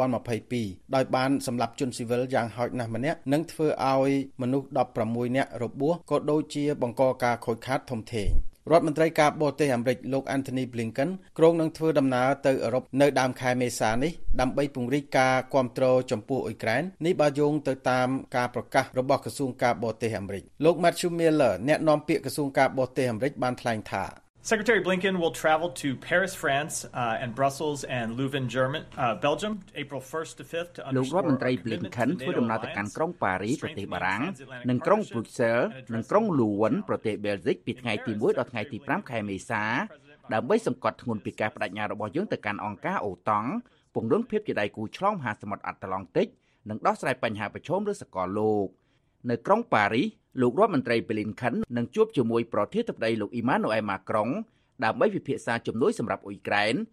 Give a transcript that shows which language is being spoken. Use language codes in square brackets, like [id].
[km] 2022ដោយបានសម្លាប់ជនស៊ីវិលយ៉ាងហោចណាស់ម្នាក់និងធ្វើឲ្យមនុស្ស16នាក់របួសក៏ដូចជាបង្កការខូចខាតធំធេងរដ្ឋមន្ត្រីការបរទេសអាមេរិកលោក Anthony Blinken គ្រោងនឹងធ្វើដំណើរទៅអឺរ៉ុបនៅដើមខែមេសានេះដើម្បីពង្រីកការគាំទ្រចំពោះអ៊ុយក្រែននេះបើយោងទៅតាមការប្រកាសរបស់ក្រសួងការបរទេសអាមេរិកលោក Matthew Miller អ្នកនាំពាក្យក្រសួងការបរទេសអាមេរិកបានថ្លែងថា [en] Secretary Blinken will travel to Paris, France, and Brussels and Leuven, Germany, Belgium, April 1st to 5th to underscore. [km] លោករដ្ឋមន្ត្រី Blinken ធ្វើដំណើរទៅកាន់ក្រុងប៉ារីប្រទេសបារាំងនិងក្រុងប៊្រុកសែលនិងក្រុងលូវិនប្រទេសបែលហ្ស៊ិកពីថ្ងៃទី1ដល់ថ្ងៃទី5ខែមេសាដើម្បីសង្កត់ធ្ងន់ពីការបដិញ្ញារបស់យើងទៅកាន់អង្គការអូតង់ពង្រឹងភាពជាដៃគូឆ្លងមហាសមុទ្រអាត្លង់ទិកនិងដោះស្រាយបញ្ហាប្រឈមឬសកលលោកនៅក្រុងប៉ារីលោករដ្ឋមន្ត្រី Blinken នឹងជួបជាមួយប្រធានាធិបតីលោក Emmanuel Macron ដើម្បីពិភាក្សាជំនួយសម្រាប់អ៊ុយក្រែន